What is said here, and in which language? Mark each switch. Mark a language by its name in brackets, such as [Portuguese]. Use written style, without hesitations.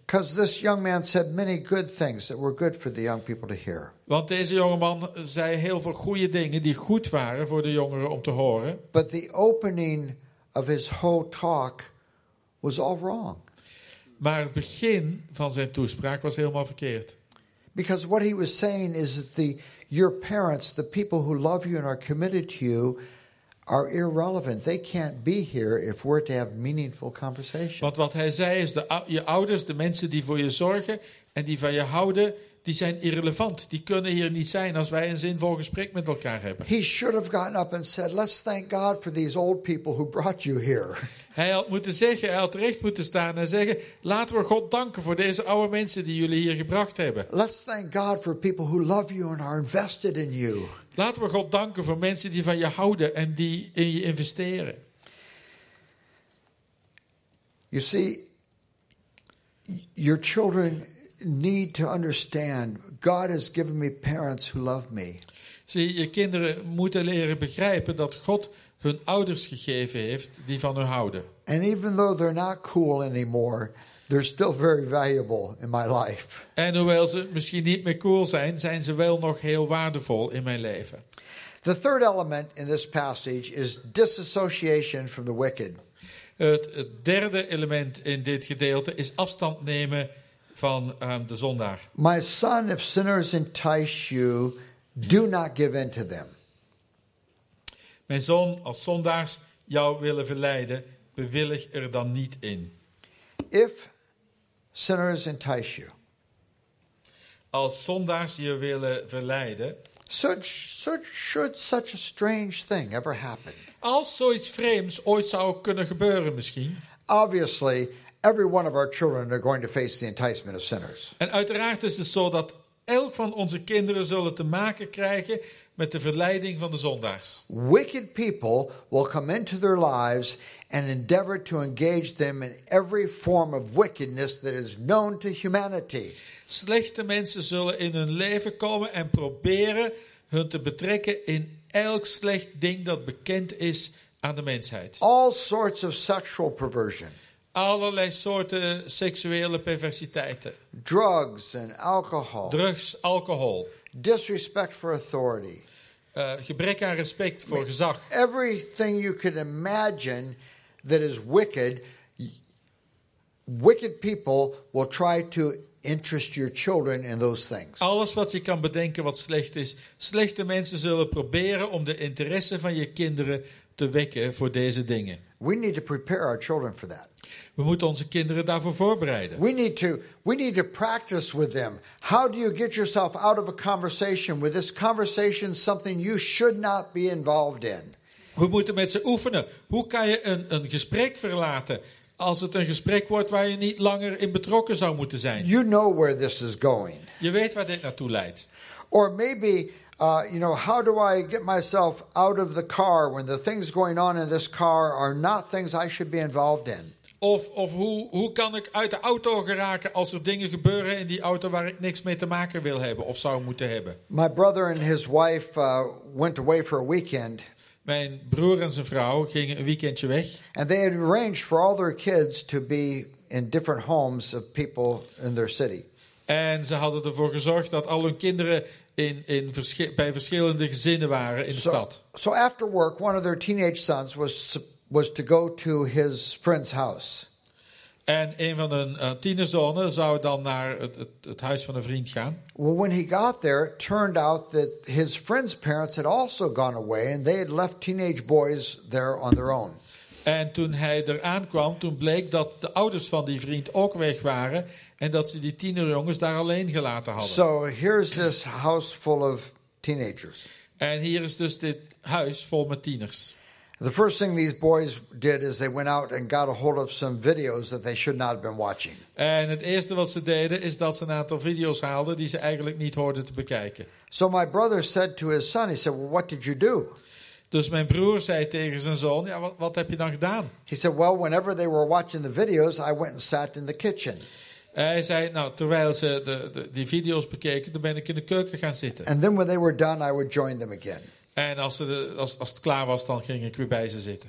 [English] Because this young man said many good things that were good for the young people to hear. [Dutch] Want deze jonge man zei heel veel goede dingen die goed waren voor de jongeren om te horen. [English] But the opening of his whole talk was all wrong. [Dutch] Maar het begin van zijn toespraak was helemaal verkeerd. [English] Because what he was saying is that your parents, the people who love you and are committed to you, are irrelevant. They can't be here if we're to have meaningful conversation. [Dutch] Want wat hij zei is je ouders, de mensen die voor je zorgen en die van je houden, die zijn irrelevant. Die kunnen hier niet zijn als wij een zinvol gesprek met elkaar hebben. [English] He should have gotten up and said, "Let's thank God for these old people who brought you here." [Dutch] Hij had moeten zeggen, hij had recht moeten staan en zeggen, laten we God danken voor deze oude mensen die jullie hier gebracht hebben. [English] Let's thank God for people who love you and are invested in you. [Dutch] Laten we God danken voor mensen die van je houden en die in je investeren. [English] You see, your children need to understand God has given me parents who love me. [Dutch] Zie, je kinderen moeten leren begrijpen dat God hun ouders gegeven heeft die van hun houden. [English] And even though they're not cool anymore, they're still very valuable in my life. [Dutch] En hoewel ze misschien niet meer cool zijn, zijn ze wel nog heel waardevol in mijn leven. [English] The third element in this passage is disassociation from the wicked. [Dutch] Het derde element in dit gedeelte is afstand nemen van de zondaar. [English] My son, if sinners entice you, do not give in to them. [Dutch] Mijn zoon, als zondaars jou willen verleiden, bewillig er dan niet in. [English] If sinners entice you. [Dutch] Als zondaars je willen verleiden. [English] Should such a strange thing ever happen? [Dutch] Als zoiets vreemds ooit zou kunnen gebeuren misschien. [English] Obviously, every one of our children are going to face the enticement of sinners. [Dutch] En uiteraard is het zo dat elk van onze kinderen zullen te maken krijgen met de verleiding van de zondaars. [English] Wicked people will come into their lives and endeavor to engage them in every form of wickedness that is known to humanity. [Dutch] Slechte mensen zullen in hun leven komen en proberen hun te betrekken in elk slecht ding dat bekend is aan de mensheid. [English] All sorts of sexual perversion. [Dutch] Allerlei soorten seksuele perversiteiten. [English] Drugs and alcohol. [Dutch] Drugs, alcohol. [English] Disrespect for authority. [Dutch] Gebrek aan respect voor gezag. [English] Everything you could imagine that is wicked, wicked people will try to interest your children in those things. [Dutch] Alles wat je kan bedenken wat slecht is, slechte mensen zullen proberen om de interesse van je kinderen te wekken voor deze dingen. [English] We need to prepare our children for that. [Dutch] We moeten onze kinderen daarvoor voorbereiden. [English] We need to practice with them. How do you get yourself out of a conversation with this conversation something you should not be involved in? [Dutch] We moeten met ze oefenen. Hoe kan je een gesprek verlaten als het een gesprek wordt waar je niet langer in betrokken zou moeten zijn? [English] You know where this is going. [Dutch] Je weet waar dit naartoe leidt. [English] Or maybe how do I get myself out of the car when the things going on in this car are not things I should be involved in? [Dutch] Of hoe kan ik uit de auto geraken als er dingen gebeuren in die auto waar ik niks mee te maken wil hebben of zou moeten hebben? [English] My brother and his wife went away for a weekend. [Dutch] Mijn broer en zijn vrouw gingen een weekendje weg. [English] And they had arranged for all their kids to be in different homes of people in their city. [Dutch] En ze hadden ervoor gezorgd dat al hun kinderen bij verschillende gezinnen waren in de stad. [English] So after work, one of their teenage sons was to go to his friend's house. [Dutch] En een van hun tienerzonen zou dan naar het huis van een vriend gaan. [English] Well, when he got there, it turned out that his friend's parents had also gone away and they had left teenage boys there on their own. [Dutch] En toen hij er aankwam, toen bleek dat de ouders van die vriend ook weg waren en dat ze die tienerjongens daar alleen gelaten hadden. [English] So here's this house full of teenagers. [Dutch] En hier is dus dit huis vol met tieners. [English] The first thing these boys did is they went out and got a hold of some videos that they should not have been watching. [Dutch] En het eerste wat ze deden is dat ze een aantal video's haalden die ze eigenlijk niet hoorden te bekijken. [English] So my brother said to his son, he said, well, what did you do? [Dutch] Dus mijn broer zei tegen zijn zoon, ja, wat heb je dan gedaan? [English] He said, well, whenever they were watching the videos, I went and sat in the kitchen. [Dutch] Hij zei, nou, terwijl ze die video's bekeken, dan ben ik in de keuken gaan zitten. [English] And then when they were done, I would join them again. [Dutch] En als het klaar was, dan ging ik weer bij ze zitten.